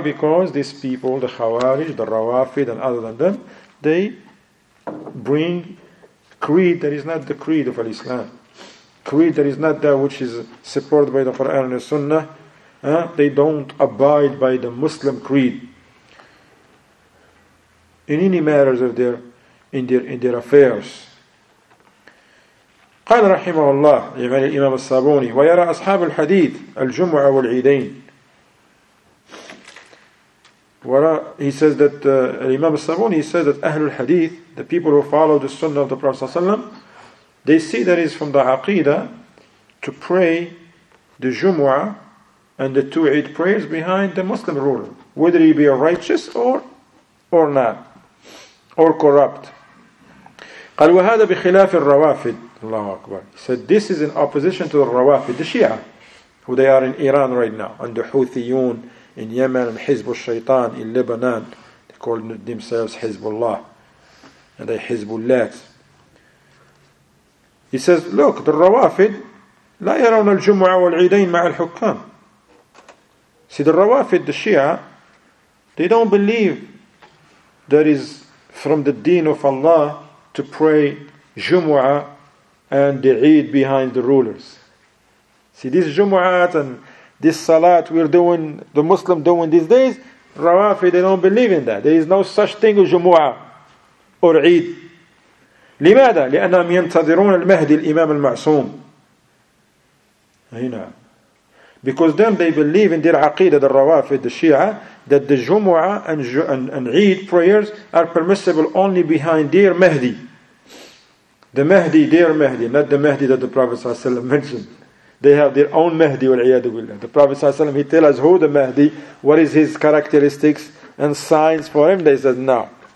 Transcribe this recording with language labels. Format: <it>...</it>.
<en>Because these people, the Khawarij, the Rawafid, and other than them, they bring creed that is not the creed of Al-Islam. Creed that is not that which is supported by the Quran and the Sunnah. They don't abide by the Muslim creed in any matters of their affairs.</en> <ar>قال رحمه الله يعني الإمام الصابوني ويرى أصحاب الحديث الجمعة والعيدين.</ar> <en>He says that Imam al-Sabuni says that أهل الحديث, the people who follow the Sunnah of the Prophet ﷺ, they see that it's from the Aqidah to pray the Jumu'ah and the two Eid prayers behind the Muslim ruler, whether he be a righteous or not, or corrupt.</en> <ar>قال وهذا بخلاف الروافد. Allahu Akbar.</ar> <en>He said this is in opposition to the Rawafid, the Shia, who they are in Iran right now, and the Houthiyun in Yemen, and Hizb al-Shaytan in Lebanon. They call themselves Hizbullah, and they Hizbullat. He says, look,</en> <ar>the Rawafid, لا يرون الجمعة والعيدين مع الحكام.</ar> <en>See, the Rawafid, the Shia, they don't believe that is from the deen of Allah to pray Jumu'ah and the Eid behind the rulers. See, this Jumu'at and this Salat we're doing, the Muslim doing these days, Rawafi, they don't believe in that. There is no such thing as Jumu'ah or Eid.</en> <ar>لماذا؟ لأنهم ينتظرون المهدي الإمام المعصوم.</ar> <en>Because then they believe in their Aqidah, the Rawafi, the Shia, that the Jumu'ah and Eid prayers are permissible only behind their Mahdi. The Mahdi, their Mahdi, not the Mahdi that the Prophet ﷺ mentioned. They have their own Mahdi, wal-iyadu billah. The Prophet ﷺ, he tells us who the Mahdi, what is his characteristics and signs for him. They said, no.</en>